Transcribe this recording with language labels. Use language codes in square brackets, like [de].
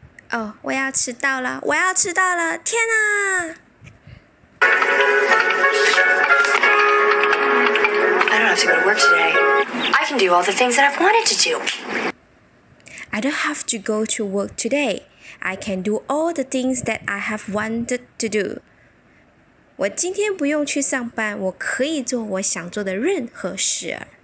[zh] 哦，我要迟到了！我要迟到了！天哪！ [en] I don't have to go to work today. I can do all the things that I've wanted to do. I don't have to go to work today. I can do all the things that I have wanted to do. [zh] 我今天不用去上班，我可以做我想做的任何事。